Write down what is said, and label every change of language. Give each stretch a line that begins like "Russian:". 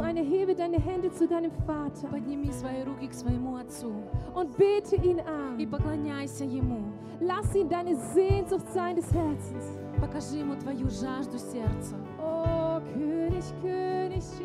German: Eine, hebe deine Hände zu deinem Vater.
Russian: Подними свои руки к своему отцу.
German: Und bete ihn an.
Russian: И поклоняйся ему.
German: Lass ihn deine Sehnsucht sein des Herzens.
Russian: Покажи ему твою жажду сердца.
German: О, König, König,